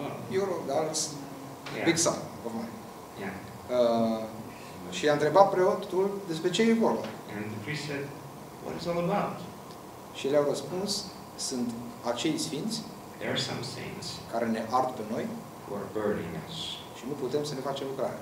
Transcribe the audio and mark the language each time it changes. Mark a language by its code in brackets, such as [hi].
[en] Euro, [ro] dar [en] it's a big sum of money. Yeah. [ro] Și i-a întrebat preotul despre ce e vorba. [en] And the priest said, what is all about? [ro] Și le-au răspuns, sunt acei sfinți [en] there are some saints [ro] care ne ard pe noi [en] who are burning us. [ro] Și nu putem să ne facem lucrare.